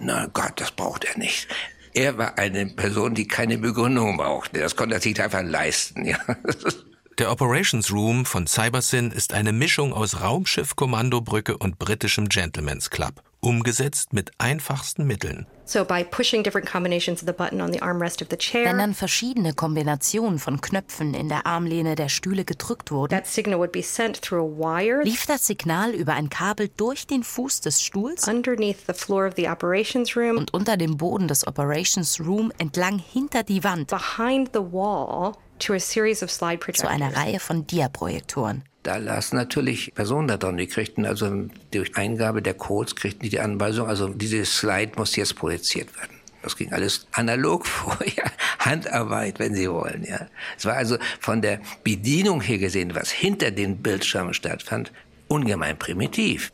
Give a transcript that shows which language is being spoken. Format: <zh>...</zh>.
<de>Na Gott, das braucht er nicht. Er war eine Person, die keine Begründung brauchte. Das konnte er sich einfach leisten. Ja. Der Operations Room von Cybersyn ist eine Mischung aus Raumschiff-Kommandobrücke und britischem Gentleman's Club, umgesetzt mit einfachsten Mitteln.</de> <en>So by pushing different combinations of the button on the armrest of the chair.</en> <de>Wenn dann verschiedene Kombinationen von Knöpfen in der Armlehne der Stühle gedrückt wurden,</de> <en>that signal would be sent through a wire.</en> <de>Lief das Signal über ein Kabel durch den Fuß des Stuhls,</de> <en>underneath the floor of the operations room,</en> <de>und unter dem Boden des Operations Room entlang hinter die Wand,</de> <en>behind the wall to a series of slide projectors.</en> <de>Zu einer Reihe von Diaprojektoren. Da lassen natürlich Personen da drin, die kriegten also durch Eingabe der Codes kriegten die Anweisung, also diese Slide muss jetzt projiziert werden. Das ging alles analog vor, ja. Handarbeit, wenn Sie wollen. Ja. Es war also von der Bedienung her gesehen, was hinter den Bildschirmen stattfand, ungemein primitiv.</de>